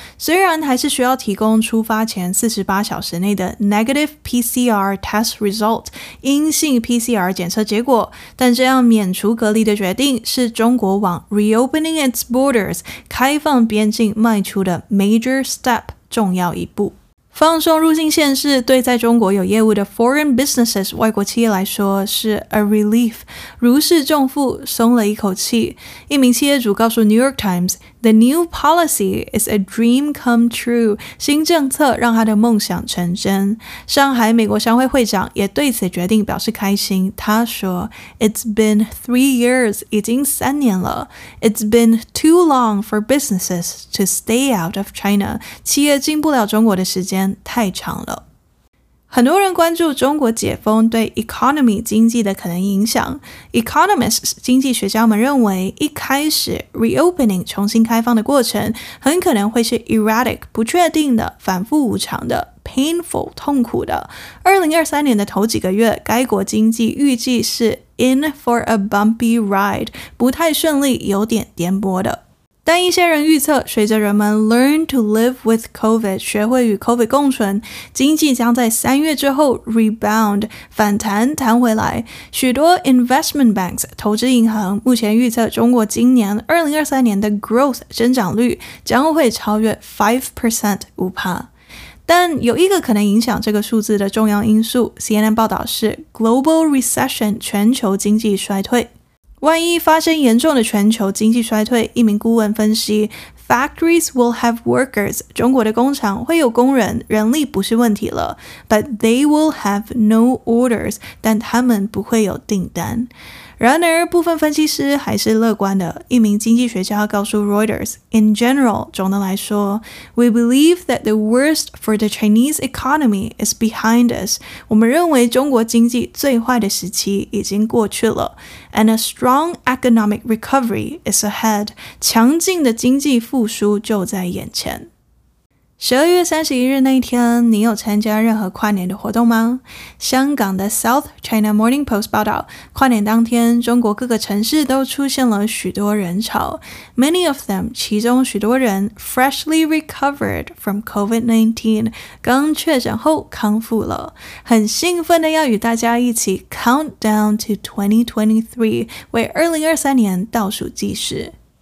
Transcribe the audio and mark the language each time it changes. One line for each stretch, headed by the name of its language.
Chinese: 虽然还是需要提供出发前48小时内的
English: negative PCR test result,
Chinese: 阴性 PCR 检测结果，但这样免除隔离的决定是中国往
English: reopening its borders,
Chinese: 开放边境迈出的
English: major step,
Chinese: 重要一步。放松入境限制对在中国有业务的
English: foreign businesses
Chinese: 外国企业来说是
English: a relief,
Chinese: 如释重负，松了一口气。一名企业主告诉 New York Times,
English: The new policy is a dream come true,
Chinese: 新政策让他的梦想成真。上海美国商会会长也对此决定表示开心，他说
English: It's been 3 years,
Chinese: 已经三年了。
English: It's been too long for businesses to stay out of China,
Chinese: 企业进不了中国的时间太长了。很多人关注中国解封对 economy 经济的可能影响。 Economists 经济学家们认为，一开始 reopening 重新开放的过程很可能会是 erratic 不确定的、反复无常的、painful 痛苦的。 2023年的头几个月，该国经济预计是
English: in for a bumpy ride，
Chinese: 不太顺利，有点颠簸的。但一些人预测，随着人们
English: learn to live with COVID,
Chinese: 学会与 COVID 共存，经济将在三月之后 rebound, 反弹弹回来。许多
English: investment banks,
Chinese: 投资银行目前预测中国今年2023年的 growth 增长率将会超越 5%, 5%。但有一个可能影响这个数字的重要因素， CNN 报道是
English: global recession,
Chinese: 全球经济衰退。万一发生严重的全球经济衰退，一名顾问分析
English: Factories will have workers,
Chinese: 中国的工厂会有工人，人力不是问题了。
English: But they will have no orders,
Chinese: 但他们不会有订单。然而部分分析师还是乐观的，一名经济学家告诉 Reuters,
English: In general,
Chinese: 总的来说
English: We believe that the worst for the Chinese economy is behind us,
Chinese: 我们认为中国经济最坏的时期已经过去了。
English: And a strong economic recovery is ahead,
Chinese: 强劲的经济复苏就在眼前。 12月31日那一天，你有参加任何跨年的活动吗？香港的 South China Morning Post 报道，跨年当天，中国各个城市都出现了许多人潮。
English: Many of them,
Chinese: 其中许多人
English: freshly recovered from COVID-19,
Chinese: 刚确诊后康复了，很兴奋的要与大家一起
English: count down to 2023,
Chinese: 为2023年倒数计时。